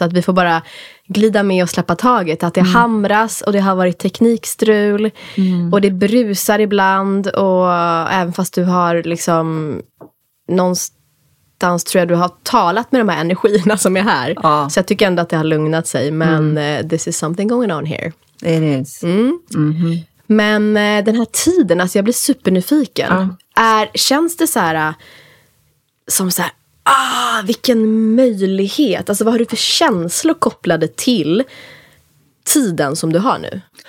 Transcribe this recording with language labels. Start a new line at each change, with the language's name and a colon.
Swedish: Så att vi får bara glida med och släppa taget. Att det hamras och det har varit teknikstrul. Mm. Och det brusar ibland. Och även fast du har liksom någonstans tror jag du har talat med de här energierna som är här. Ja. Så jag tycker ändå att det har lugnat sig.
English: Men this is something going on here. It is. Mm. Mm-hmm.
Swedish: Men den här tiden, alltså jag blir supernyfiken. Ja. Känns det så här som så här, vilken möjlighet. Alltså vad har du för känslor kopplade till tiden som du har nu?